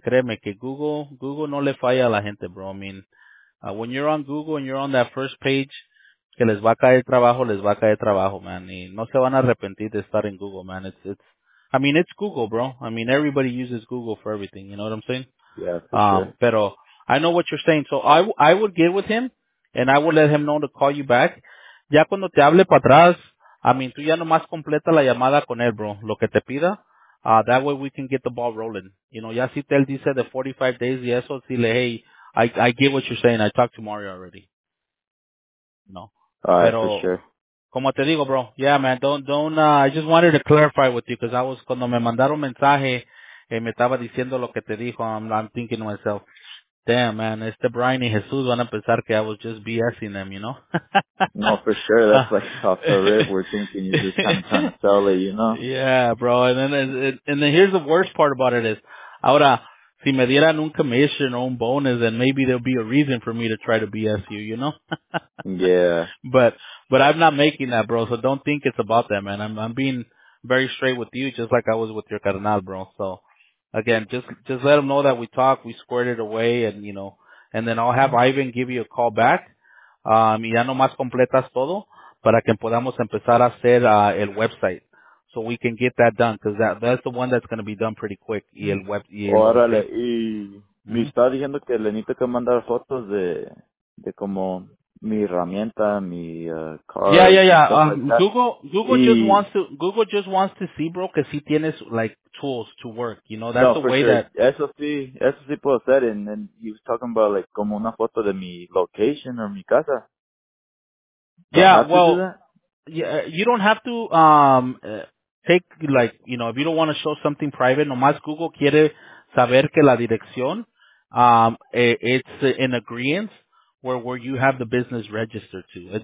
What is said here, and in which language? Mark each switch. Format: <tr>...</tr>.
<es>Créeme que Google no le falla a la gente, bro.</es> <en>I mean, when you're on Google and you're on that first page,</en> <es>que les va a caer trabajo, man. Y no se van a arrepentir de estar en Google, man.</es> <en>It's Google, bro. I mean, everybody uses Google for everything, you know what I'm saying? Yeah, sure. Pero I know what you're saying. So I would get with him, and I would let him know to call you back.</en> <es>Ya cuando te hable para atrás,</es> <en>I mean,</en> <es>tú ya nomás completa la llamada con él, bro. Lo que te pida,</es> <en>that way we can get the ball rolling. You know,</en> <es>ya si te él dice</es> <en>the 45 days</en> <es>y eso, dile,</es> <en>hey, I get what you're saying. I talked to Mario already. No. All right, for sure.</en> <es>Como te digo,</es> <en>bro. Yeah, man, I just wanted to clarify with you because I was,</en> <es>cuando me mandaron mensaje, me estaba diciendo lo que te dijo,</es> <en>I'm thinking to myself, damn, man,</en> <es>este Brian y Jesús van a pensar que</es> <en>I was just BSing them, you know? No, for sure. That's like off the rip. We're thinking you're just kind of trying to sell it, you know? Yeah, bro. And then here's the worst part about it is,</en> <es>ahora, si me dieran un</es> <en>commission or un bonus, then maybe there'll be a reason for me to try to BS you, you know? Yeah. But I'm not making that, bro. So don't think it's about that, man. I'm being very straight with you, just like I was with your carnal, bro. So. Again, just let them know that we talk, we squared it away, and, you know, and then I'll have Ivan give you a call back.</en> <es>Y ya nomás completas todo para que podamos empezar a hacer el website.</es> <en>So we can get that done, because that's the one that's going to be done pretty quick.</en> <es>Y el web. Órale, y me está diciendo que le necesito que mandar fotos de como mi herramienta, mi card.</es> <en>Yeah. Google just wants to see, bro,</en> <es>que si tienes,</es> <en>like, tools to work, you know, that's no, the for way sure. That...</en> <es>Eso sí puedo hacer,</es> <en>and then he was talking about, like,</en> <es>como una foto de mi location or mi casa.</es> <en>You don't have to take, like, you know, if you don't want to show something private,</en> <es>nomás Google quiere saber que la dirección,</es> <en>it's in agreement where you have the business registered to.</en>